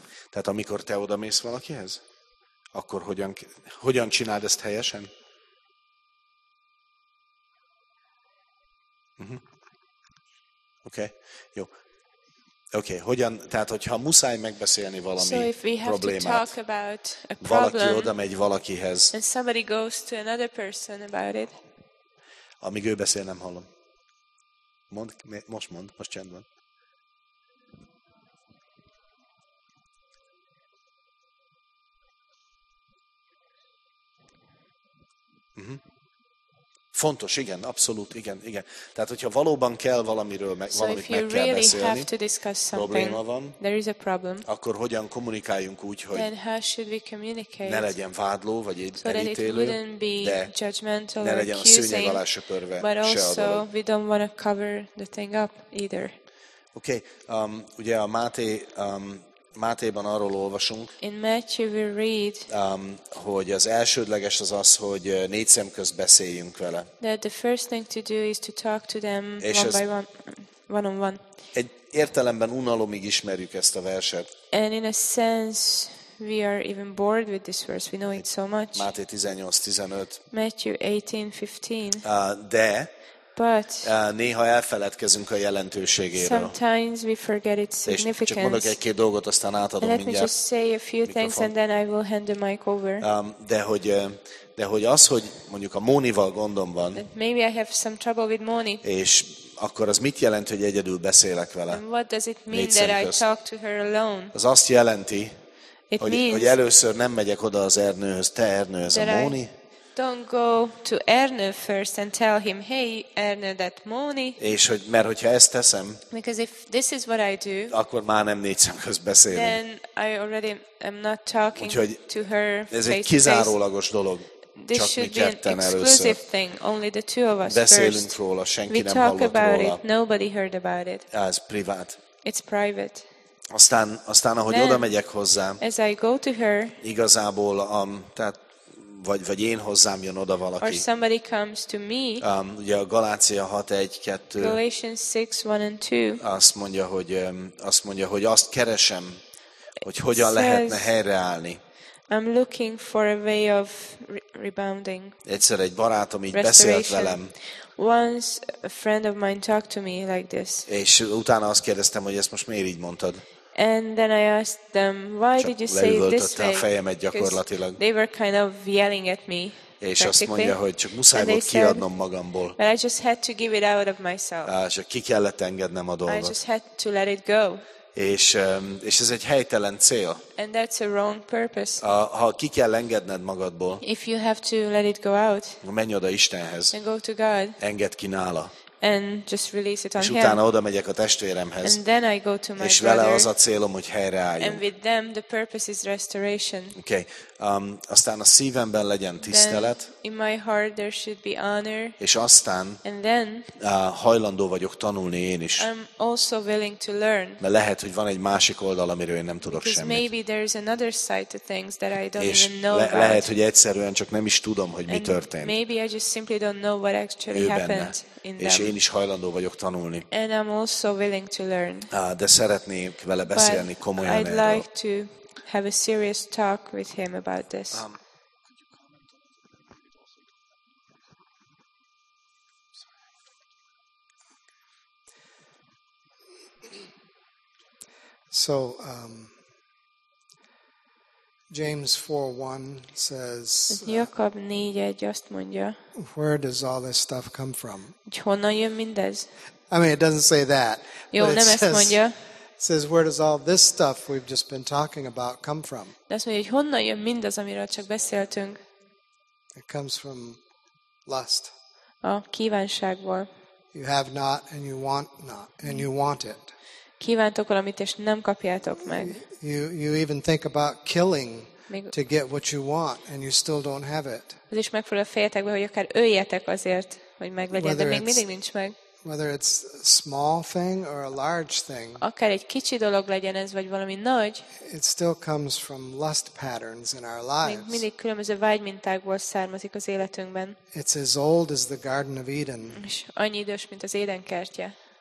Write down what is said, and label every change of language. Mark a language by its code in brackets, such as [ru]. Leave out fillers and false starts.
[hu] Tehát amikor te odamész valakihez, akkor hogyan csináld ezt helyesen? Uh-huh. Oké, okay. Jó. Oké, okay. Hogyan, tehát hogyha muszáj megbeszélni valami [en] so if we have [hu] problémát, [en] to talk about a problem, [hu] valaki odamegy valakihez, [en] and somebody goes to another person about it, [hu] amíg ő beszél, nem hallom. Most csend van. Fontos, igen, abszolút, igen. Tehát, hogyha valóban kell valamiről, valamit meg kell [en] really [hu] beszélni, probléma van, [en] there is a problem, [hu] akkor hogyan kommunikáljunk úgy, hogy ne legyen vádló, vagy [en] so [hu] elítélő, de [en] judgmental, [hu] ne legyen [en] accusing, [hu] a szőnyeg alá söpörve [en] but [hu] se [en] also, we don't want to cover the thing up either. [hu] Okay, ugye a Máté Mátéban arról olvasunk. [en] In Matthew we read, [hu] hogy az elsődleges az az, hogy négy szem közt beszéljünk vele. [en] That the first thing to do is to talk to them one by one. [hu] Egy értelemben unalomig ismerjük ezt a verset. [en] And in a sense we are even bored with this verse. We know it so much. [hu] Máté 18:15. [en] Matthew 18:15. [hu] De [en] but [hu] néha elfeledkezünk a jelentőségéről. [en] Sometimes we forget its significance. [hu] Csak mondok egy-két dolgot, aztán átadom mindjárt. [en] Let me just say a few things and then I will hand the mic over. [hu] De hogy az, hogy mondjuk a Mónival gondom van. [en] Maybe I have some trouble with Moni. [hu] És akkor az mit jelent, hogy egyedül beszélek vele? [en] And what does it mean that I talk to her alone? [hu] Az azt jelenti, hogy először nem megyek oda az Ernőhöz, te Ernő, ez a Móni. [en] Don't go to Erno first and tell him, hey, Erno, that Moni. [hu] És hogy, mert hogyha ezt teszem, [en] because if this is what I do, [hu] akkor már nem négy szem közt beszélünk. [en] Then I already am not talking [hu] úgyhogy [en] to her face. [hu] Ez egy kizárólagos dolog. [en] This [hu] csak [en] should [hu] mi ketten [en] be an [hu] először [en] exclusive thing. Only the two of us [hu] beszélünk [en] first [hu] róla, senki [en] we [hu] nem [en] talk about [hu] róla [en] it. Nobody heard about it. [hu] Ez privát. [en] It's private. [hu] Aztán ahogy [en] then [hu] oda megyek hozzá, [en] as I go to her, [hu] igazából tehát vagy én hozzám jön oda valaki. [en] Or somebody comes to me. [hu] Ugye a Galácia 6:1-2. [en] Galatians 6:1-2. [hu] Azt mondja, hogy azt keresem, hogy hogyan [en] says, [hu] lehetne helyreállni. [en] I'm looking for a way of rebounding. [hu] Egyszer egy barátom így beszélt velem. [en] Once a friend of mine talked to me like this. [hu] És utána azt kérdeztem, hogy ezt most miért így mondtad. [en] And then I asked them, why [hu] csak [en] did you say it this way? [hu] A fejemet gyakorlatilag. [en] They were kind of yelling at me. [hu] És azt mondja, hogy csak muszáj volt kiadnom magamból. [en] But I just had to give it out of myself. [hu] Csak ki kellett engednem a dolgot. [en] I just had to let it go. [hu] És ez egy helytelen cél. [en] And that's a wrong purpose. [hu] Ha ki kell engedned magadból, [en] if you have to let it go out, [hu] menj oda Istenhez. [en] And go to God. [hu] Engedd ki nála. [en] And just release it on [hu] és utána oda megyek a testvéremhez. [en] And then I go to my [hu] és vele az a célom, hogy helyreálljunk. [en] And with them the purpose is restoration. Okay. [hu] Aztán a szívemben legyen tisztelet. [en] Then in my heart there should be honor. [hu] És aztán [en] and then, [hu] hajlandó vagyok tanulni én is. [en] I'm also willing to learn. [hu] Mert lehet, hogy van egy másik oldal, amiről én nem tudok [en] because [hu] semmit. [en] Maybe there is another side to things that I don't [hu] és [en] even know about. [hu] Lehet, hogy egyszerűen csak nem is tudom, hogy [en] and [hu] mi történt. [en] Maybe I just simply don't know what actually happened. [hu] És én is hajlandó vagyok tanulni. [en] And I'm also willing to learn. [hu] De szeretnék vele beszélni [en] but [hu] komolyan [en] I'd [hu] erről. [en] Like to have a serious talk with him about this. So James 4:1 says, [hu] Jakab 4:1 azt mondja, [en] where does all this stuff come from? [hu] Honnan jön mindez? [en] I mean, it doesn't say that. [hu] Jó, nem ezt mondja. [en] It says, where does all this stuff we've just been talking about come from? [hu] De azt mondja, hogy honnan jön mindez, amiről csak beszéltünk? [en] It comes from lust. [hu] A kívánságból. [en] You have not and you want not and you want it. [hu] Kívántok valamit és nem kapjátok meg. [en] You even think about killing to get what you want and you still don't have it. [hu] Ez is megfordul a fejetekbe, hogy akár öljetek azért, hogy meglegyen, de még mindig nincs meg. [en] Whether it's a small thing or a large thing. [hu] Akár egy kicsi dolog legyen ez vagy valami nagy. [en] It still comes from lust patterns in our lives. [hu] Mindig különböző vágymintákból származik az életünkben. [en] It's as old as the Garden of Eden. [hu] És annyi idős, mint az Éden kertje.